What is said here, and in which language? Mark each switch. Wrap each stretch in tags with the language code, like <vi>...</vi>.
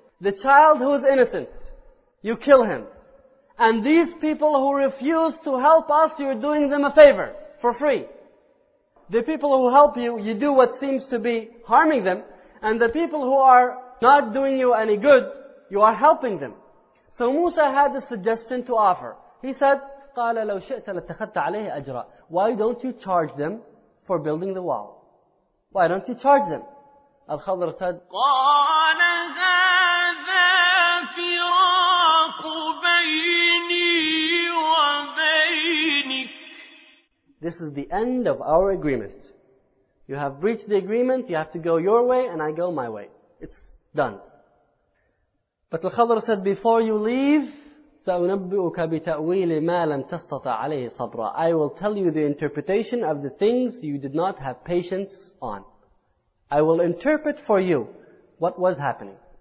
<en>The child who is innocent, you kill him. And these people who refuse to help us, you're doing them a favor for free. The people who help you, you do what seems to be harming them. And the people who are not doing you any good, you are helping them. So Musa had a suggestion to offer. He said,</en> <ar>قَالَ لَوْ شِئْتَ لَتَّخَدْتَ عَلَيْهِ أَجْرًا.</ar> <en>Why don't you charge them for building the wall? Why don't you charge them? Al-Khadr said,</en> <ar>قَالَ هَذَا فِرَاقُ بَيْنِي وَبَيْنِكَ.</ar> <en>This is the end of our agreement. You have breached the agreement, you have to go your way and I go my way. It's done. But Al-Khadr said, before you leave,</en> <ar>سَأُنَبِّئُكَ بِتَأْوِيلِ مَا لَمْ تَسْتَطَعْ عَلَيْهِ صَبْرًا.</ar> <en>I will tell you the interpretation of the things you did not have patience on. I will interpret for you what was happening.</en>